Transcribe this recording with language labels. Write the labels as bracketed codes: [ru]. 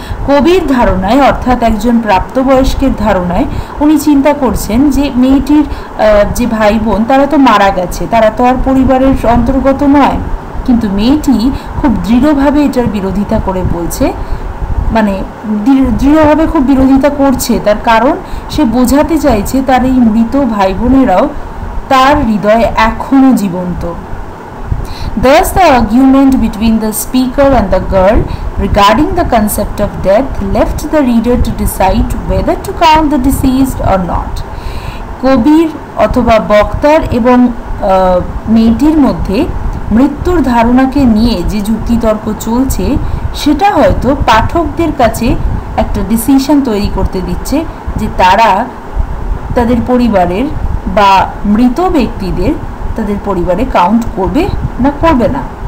[bn] কবির ধারণায়, অর্থাৎ একজন প্রাপ্তবয়স্কের ধারণায়, উনি চিন্তা করছেন যে মেয়েটির যে ভাই বোন তারা তো মারা গেছে, তারা তো আর পরিবারের অন্তর্গত নয়। কিন্তু মেয়েটি খুব দৃঢ়ভাবে এটার বিরোধিতা করে বলছে, মানে দৃঢ়ভাবে খুব বিরোধিতা করছে। তার কারণ, সে বোঝাতে চাইছে তার এই মৃত ভাই বোনেরাও তার হৃদয়ে এখনও জীবন্ত। [en] Thus, the argument between the speaker and the girl regarding the concept of death left the reader to decide whether to count the deceased or not. [bn] কবির অথবা বক্তার এবং মেয়েটির মধ্যে মৃত্যুর ধারণাকে নিয়ে যে যুক্তিতর্ক চলছে, সেটা হয়তো পাঠকদের কাছে একটা ডিসিশন তৈরি করতে দিচ্ছে যে তারা তাদের পরিবারের বা মৃত ব্যক্তিদের তাদের পরিবারে কাউন্ট করবে না করবে না।